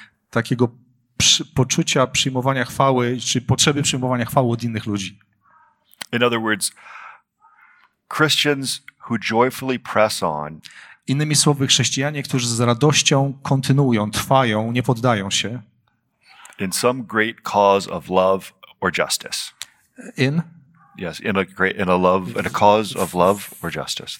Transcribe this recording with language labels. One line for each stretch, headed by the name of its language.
Polish: Takiego poczucia przyjmowania chwały, czy potrzeby przyjmowania chwały od innych ludzi.
English: In other words, Christians who joyfully press on.
Polish: Innymi słowy, chrześcijanie, którzy z radością kontynuują, trwają, nie poddają się.
English: In some great cause of love or justice. In? Yes, in a great, in a love, in a cause of love or justice.